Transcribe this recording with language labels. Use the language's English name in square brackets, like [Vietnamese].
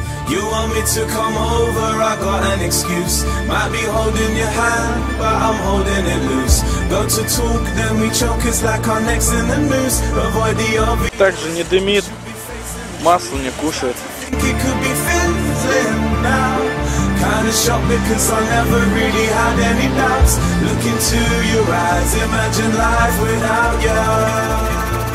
[English] You want me to come over, I got an excuse. Might be holding your hand, but I'm holding it loose. Go to talk, then we choke, it's like our necks in the noose. Avoid the obvious. [Russian] Также не дымит, масло не кушает. [English] Think it could be fizzling now. Kinda shocked because I never really had any doubts. Look into your eyes, imagine life without you.